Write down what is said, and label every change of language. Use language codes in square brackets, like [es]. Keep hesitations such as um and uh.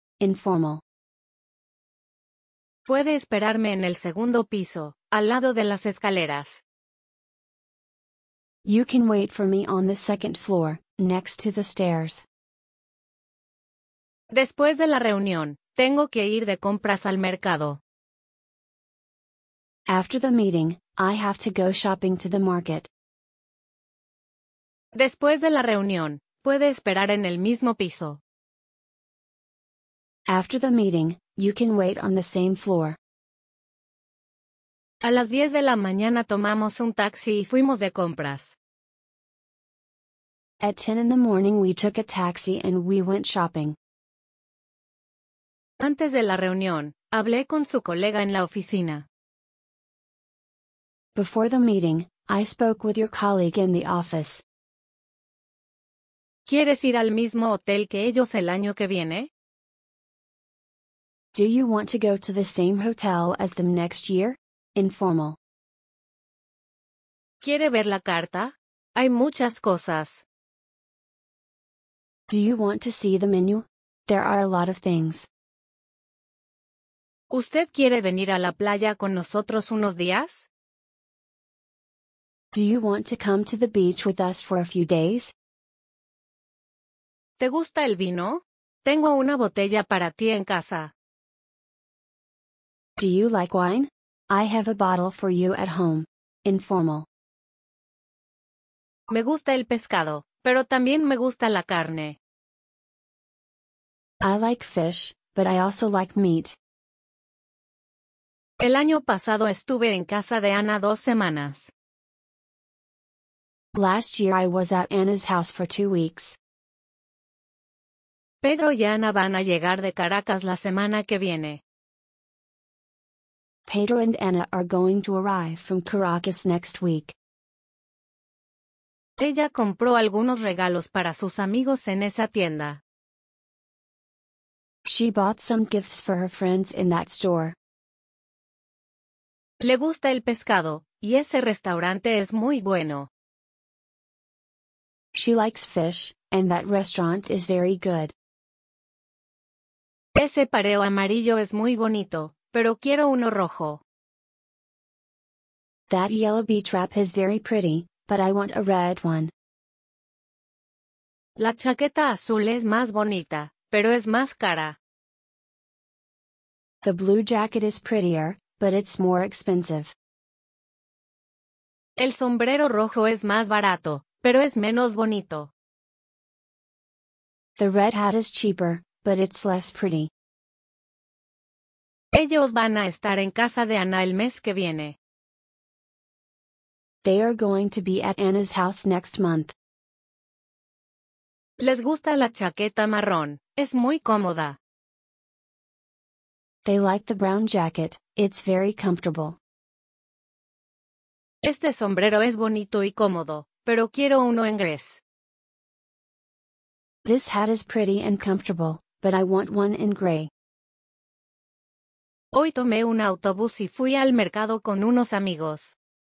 [en] Informal. [es] Puede esperarme en el segundo piso, al lado de las escaleras. [en] You can wait for me on the second floor, next to the stairs. [es] Después de la reunión, tengo que ir de compras al mercado. [en] After the meeting, I have to go shopping to the market. [es] Después de la reunión, puede esperar en el mismo piso. [en] After the meeting, you can wait on the same floor. [es] A las 10 de la mañana tomamos un taxi y fuimos de compras. [en] At 10 in the morning we took a taxi and we went shopping. [es] Antes de la reunión, hablé con su colega en la oficina. [en] Before the meeting, I spoke with your colleague in the office. [es] ¿Quieres ir al mismo hotel que ellos el año que viene? [en] Do you want to go to the same hotel as them next year? Informal. [es] ¿Quiere ver la carta? Hay muchas cosas. [en] Do you want to see the menu? There are a lot of things. [es] ¿Usted quiere venir a la playa con nosotros unos días? [en] Do you want to come to the beach with us for a few days? [es] ¿Te gusta el vino? Tengo una botella para ti en casa. [en] Do you like wine? I have a bottle for you at home. Informal. [es] Me gusta el pescado, pero también me gusta la carne. [en] I like fish, but I also like meat. [es] El año pasado estuve en casa de Ana dos semanas. [en] Last year I was at Ana's house for two weeks. [es] Pedro y Ana van a llegar de Caracas la semana que viene. [en] Pedro and Ana are going to arrive from Caracas next week. [es] Ella compró algunos regalos para sus amigos en esa tienda. [en] She bought some gifts for her friends in that store. [es] Le gusta el pescado, y ese restaurante es muy bueno. [en] She likes fish, and that restaurant is very good. [es] Ese pareo amarillo es muy bonito, pero quiero uno rojo. [en] That yellow bee trap is very pretty, but I want a red one. [es] La chaqueta azul es más bonita, pero es más cara. [en] The blue jacket is prettier, but it's more expensive. [es] El sombrero rojo es más barato, pero es menos bonito. [en] The red hat is cheaper, but it's less pretty. [es] Ellos van a estar en casa de Ana el mes que viene. [en] They are going to be at Anna's house next month. [es] Les gusta la chaqueta marrón, es muy cómoda. [en] They like the brown jacket, it's very comfortable. [es] Este sombrero es bonito y cómodo, pero quiero uno en gris. [en] This hat is pretty and comfortable, but I want one in gray. [es] Hoy tomé un autobús y fui al mercado con unos amigos.